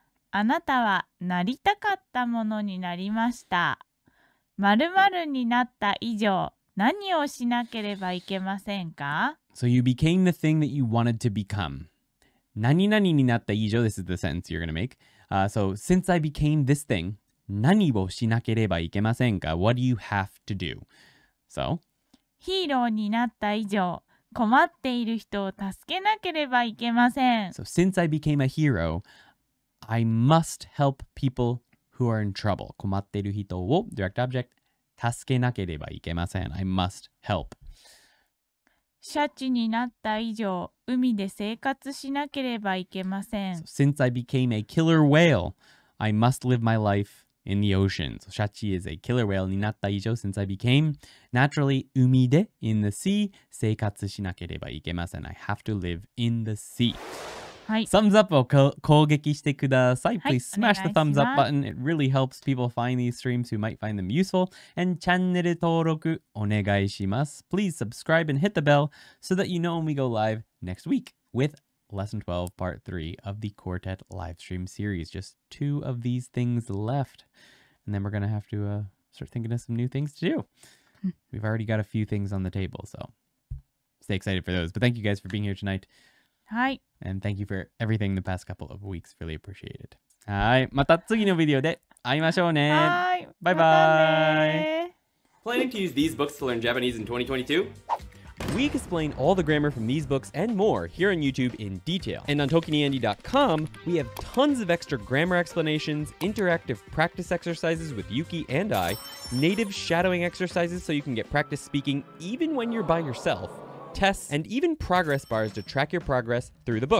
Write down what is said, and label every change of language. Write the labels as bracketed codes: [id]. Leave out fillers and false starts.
[ja] あなたはなりたかったものになりました。〇〇になった以上、何をしなければいけませんか？ [en] So you became the thing that you wanted to become. [ja] 何々になった以上、 [en] this is the sentence you're gonna make.、So, since I became this thing, [ja] 何をしなければいけませんか [en] ?What do you have to do? So? [ja] ヒーローになった以上、困っている人を助けなければいけません。 [en] So, since I became a hero, I must help people who are in trouble. [ja] 困っている人を、 [en] direct object, [ja] 助けなければいけません。 [en] I must help. [ja] シャチになった以上、海で生活しなければいけません。 [en] So, since I became a killer whale, I must live my life in the ocean. So, シャチ is a killer whale [ja] になった以上、 [en] since I became, naturally, [ja] 海で [en] in the sea, [ja] 生活しなければいけません。 [en] I have to live in the sea. [ja] はい。 [en] Thumbs up [ja] を攻撃してください。 [en] Please smash the thumbs up button. It really helps people find these streams who might find them useful. And [ja] チャンネル登録お願いします。 [en] Please subscribe and hit the bell so that you know when we go live next week with Lesson 12 Part 3 of the Quartet Livestream Series. Just two of these things left. And then we're going to have to start thinking of some new things to do. We've already got a few things on the table, so stay excited for those. But thank you guys for being here tonight. [ja] はい。 [en] And thank you for everything the past couple of weeks. Really appreciate it. [ja] はい。また次のビデオで会いましょうね。はい。バイバイ。 [en] Planning to use these books to learn Japanese in 2022? We explain all the grammar from these books and more here on YouTube in detail. And on tokiniandy.com, we have tons of extra grammar explanations, interactive practice exercises with Yuki and I, native shadowing exercises so you can get practice speaking even when you're by yourself,tests, and even progress bars to track your progress through the book.